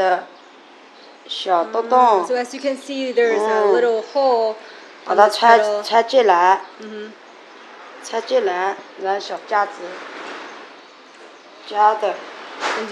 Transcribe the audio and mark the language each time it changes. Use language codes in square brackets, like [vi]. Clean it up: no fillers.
[zh] 没事，再把它夹进去一点，这样子，浓一点，然后就让它夹进去，夹进去就好了。然后刚才我这一朵呢，就把它这里有一个小小的小洞洞。 [en] So as you can see, there is a little hole. [zh] 把它拆进来，拆进来，然后小夹子夹的。 [en] And